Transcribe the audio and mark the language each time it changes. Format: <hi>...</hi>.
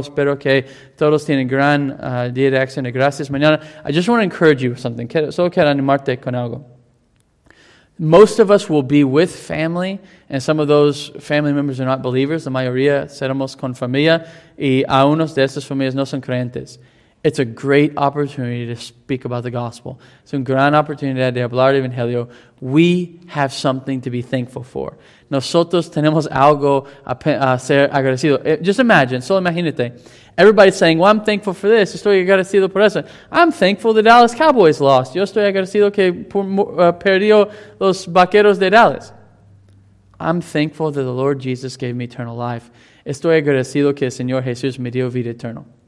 <es>Espero que todos tienen gran día de acción de gracias mañana.</es> <en>I just want to encourage you with something.</en> <es>Solo quiero animarte con algo.</es> <en>Most of us will be with family, and some of those family members are not believers.</en> <es>La mayoría seremos con familia, y algunos de esas familias no son creyentes.</es> <en>It's a great opportunity to speak about the gospel.</en> <es>Es una gran oportunidad de hablar del evangelio.</es> <en>We have something to be thankful for.</en> <es>Nosotros tenemos algo a ser agradecido.</es> <en>Just imagine,</en> <es>solo imagínate.</es> <en>Everybody's saying, well, I'm thankful for this.</en> <es>Estoy agradecido por eso.</es> <en>I'm thankful the Dallas Cowboys lost.</en> <es>Yo estoy agradecido que perdió los vaqueros de Dallas.</es> <en>I'm thankful that the Lord Jesus gave me eternal life.</en> <es>Estoy agradecido que el Señor Jesús me dio vida eterna.</es>